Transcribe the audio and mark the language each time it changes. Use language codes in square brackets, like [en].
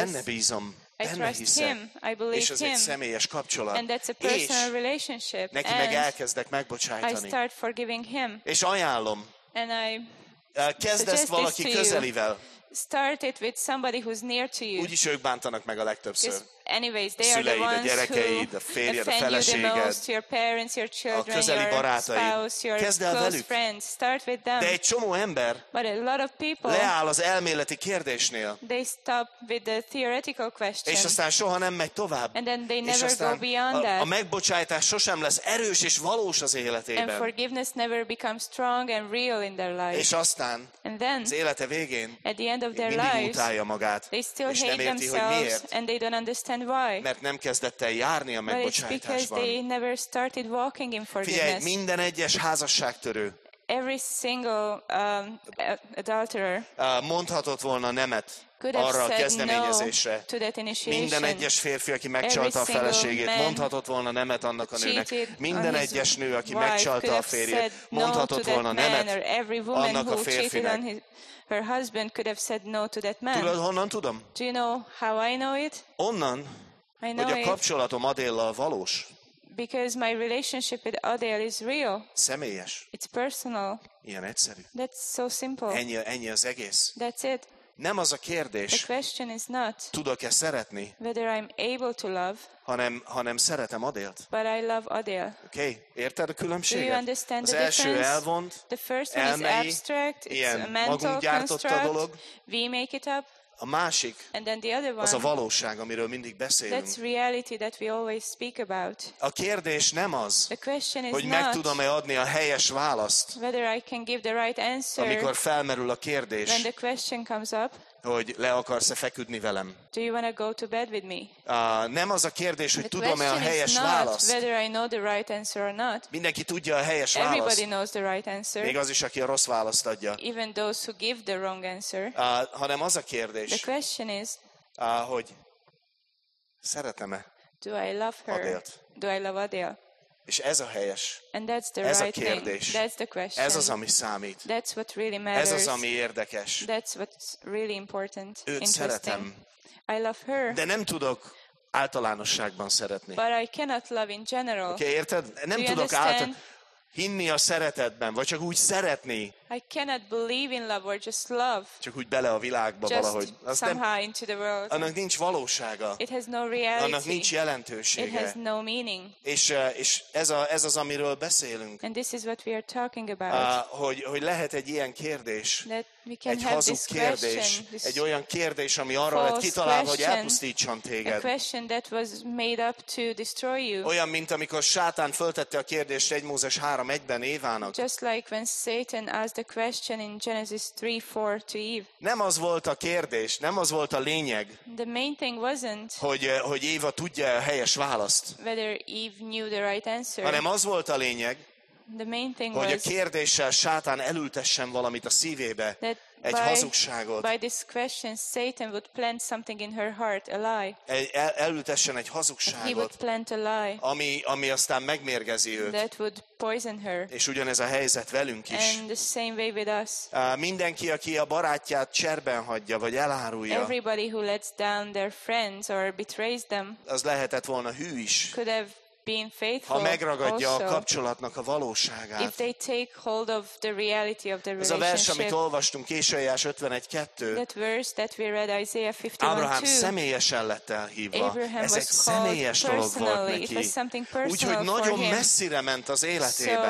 [hu] benne bízom, benne hiszem, és az egy személyes kapcsolat, [en] and that's a personal relationship, [hu] neki meg elkezdek megbocsájtani, [en] I start forgiving him, [hu] és ajánlom, [en] and I [hu] kezd ezt valaki közelivel. [en] Start it with somebody who's near to you. [hu] Úgyis ők bántanak meg a legtöbbször. [en] Anyways, they are the ones who offend you the most. Your parents, your children, your spouse, your close friends. Start with them. [hu] De egy csomó ember. [en] But a lot of people. [hu] Leáll az elméleti kérdésnél. [en] They stop with the theoretical question. [hu] És aztán soha nem megy tovább. [en] And then they never go beyond that. [hu] A megbocsátás sosem lesz erős és valós az életében. [en] And forgiveness never becomes strong and real in their life. [hu] És aztán. [en] And then. [hu] Az élete végén. [en] At the end of their lives. [hu] Mindig utálja magát. [en] They still hate themselves. And they don't understand. And why? [hu] Mert nem kezdett el járni a megbocsátásban. [en] Because they never started walking in forgiveness. [hu] Figyelj, minden egyes házasságtörő. [en] Every single adulterer. [hu] Mondhatott volna nemet arra a kezdeményezésre. [en] No to that initiation. [hu] Minden egyes férfi, aki megcsalta a feleségét, mondhatott volna nemet annak a nőnek. Minden egyes nő, aki megcsalta a férjét, mondhatott volna nemet annak a férfinek. [en] Her husband could have said no to that man. [hu] Tudod, honnan tudom? [en] Do you know how I know it? [hu] Onnan, [en] I know [hu] hogy a kapcsolatom Adéllal valós. [en] Because my relationship with Adél is real. [hu] Személyes. [en] It's personal. [hu] Ilyen egyszerű. [en] That's so simple. [hu] Ennyi az egész. [en] That's it. [hu] Nem az a kérdés. [en] The question is not. [hu] Tudok-e szeretni? [en] Whether I'm able to love. [hu] Hanem szeretem Adélt. [en] But I love Adél. [hu] Okay. Érted a különbséget? [en] Do you understand [hu] az [en] the difference? [hu] Első elvont, [en] the first one [hu] elmei, [en] is abstract. [hu] Ilyen, [en] it's a mental construct. [hu] Dolog. [en] We make it up. [hu] A másik. [en] And then the other one. [hu] Az a valóság, amiről mindig beszélünk. [en] That's reality that we always speak about. [hu] A kérdés nem az. [en] The question is [hu] hogy [en] not. [hu] Meg tudom-e adni a helyes választ. [en] Whether I can give the right answer. [hu] Amikor felmerül a kérdés. [en] When the question comes up. [hu] Hogy le akarsz-e feküdni velem. [en] Do you want to go to bed with me? [hu] Nem az a kérdés, hogy [en] the [hu] tudom-e a helyes [en] is not [hu] választ. [en] Whether I know the right answer or not. [hu] Mindenki tudja a helyes [en] Everybody [hu] választ. [en] Everybody knows the right answer. [hu] Még az is, aki a rossz választ adja. [en] Even those who give the wrong answer. [hu] Hanem az a kérdés. [en] The question is. [hu] Hogy szeretem-e? [en] Do I love her? [hu] Adélt. [en] Do I love Adél? [hu] És ez a helyes. [en] And that's the [hu] ez [en] right [hu] a kérdés. [en] Thing. That's the question. [hu] Ez az, ami számít. [en] That's what really matters. [hu] Ez az, ami érdekes. [en] That's what's really important. [hu] Őt szeretem. [en] I love her. [hu] De nem tudok általánosságban szeretni. [en] But I cannot love in general. [hu] Okay, érted? Nem [en] Do [hu] tudok hinni a szeretetben, vagy csak úgy szeretni. [en] I cannot believe in love or just love. [hu] Csak úgy bele a világba [en] just [hu] valahogy. Azt [en] somehow into the world. [hu] Annak nincs valósága. [en] It has no reality. [hu] Annak nincs jelentősége. [en] It has no meaning. [hu] És ez az, amiről beszélünk. [en] And this is what we are talking about. [hu] Hogy lehet egy ilyen kérdés, [en] that we can [hu] egy hazug kérdés, [en] question, [hu] egy olyan kérdés, ami arra lett kitalálva, hogy elpusztítson téged. [en] A question that was made up to destroy you. [hu] Olyan, mint amikor Sátán föltette a kérdést 1 Mózes 3:1-ben Évának. [en] Just like when Satan the question in Genesis 3:4 to Eve. [hu] Nem az volt a kérdés, nem az volt a lényeg. [en] The main thing wasn't [hu] hogy Éva tudja a helyes választ. [en] Whether Eve knew the right answer. [hu] Hanem az volt a lényeg. [en] The main thing [hu] hogy [en] was [hu] a kérdéssel Sátán elültessen valamit a szívébe, egy hazugságot. [en] By this question Satan would plant something in her heart, a lie. [hu] Elültessen egy hazugságot. [en] He would plant a lie. [hu] Ami aztán megmérgezi őt. [en] That would poison her. [hu] És ugyanez a helyzet velünk is. [en] And the same way with us. [hu] Mindenki, aki a barátját cserben hagyja, vagy elárulja. [en] Everybody who lets down their friends or betrays them. [hu] Az lehetett volna hű is. [en] Could have being faithful [hu] ha megragadja [en] also, [hu] a kapcsolatnak a valóságát. [en] If they take hold of the reality of the relationship. [hu] Ez a vers, amit olvastunk, Ésaiás 51:2. [en] That verse that we read Isaiah 51:2. [hu] Abraham személyesen lett elhívva. [en] Abraham [hu] ez egy személyes dolog volt neki. Úgyhogy nagyon messzire ment az életében.